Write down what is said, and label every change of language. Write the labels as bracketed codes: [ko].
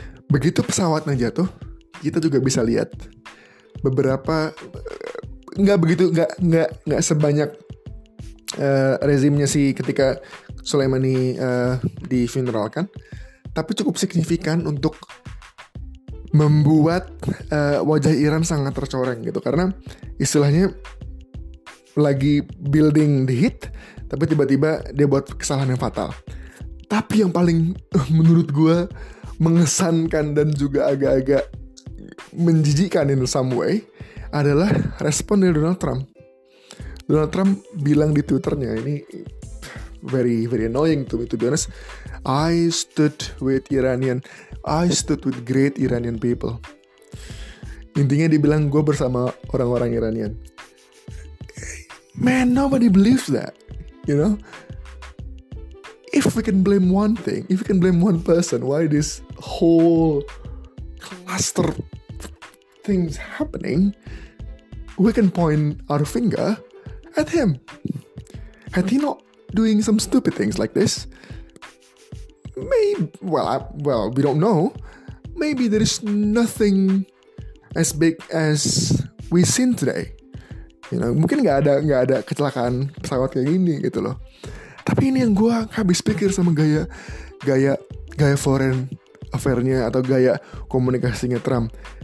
[id] Begitu pesawatnya jatuh, kita juga bisa lihat beberapa, nggak sebanyak rezimnya sih ketika Suleimani di funeral kan, tapi cukup signifikan untuk membuat wajah Iran sangat tercoreng gitu, karena istilahnya lagi [en] building the heat, [id] tapi tiba-tiba dia buat kesalahan yang fatal. Tapi yang paling menurut gue mengesankan dan juga agak-agak menjijikkan [en] in some way [id] adalah respon dari Donald Trump. [en] Donald Trump [id] bilang di Twitternya, ini [en] very very annoying to me to be honest, I stood with great Iranian people. [id] Intinya dia bilang, gue bersama orang-orang Iranian. [en] Man, nobody believes that, you know. If we can blame one person, why this whole cluster things happening, we can point our finger at him. Had he not doing some stupid things like this, we don't know. Maybe there is nothing as big as we seen today. You know, [id] mungkin nggak ada kecelakaan pesawat kayak gini gitu loh. Tapi ini yang gue habis pikir sama gaya foreign affairnya atau gaya komunikasinya Trump.